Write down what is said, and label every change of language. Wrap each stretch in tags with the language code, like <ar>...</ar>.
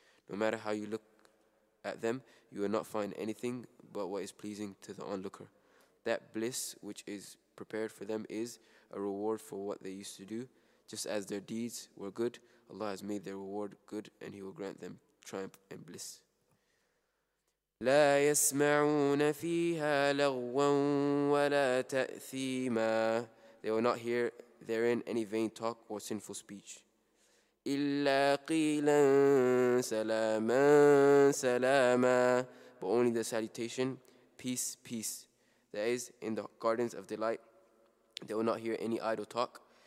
<en>No matter how you look at them, you will not find anything but what is pleasing to the onlooker. That bliss which is prepared for them is a reward for what they used to do. Just as their deeds were good, Allah has made their reward good and He will grant them triumph and bliss.</en> <ar>لا يسمعون فيها لغوا ولا تأثيما</ar> <en>They will not hear therein any vain talk or sinful speech.</en> <ar>إلا قيلا سلاما سلاما</ar> <en>But only the salutation, peace, peace. That is, in the gardens of delight, they will not hear any idle talk.</en>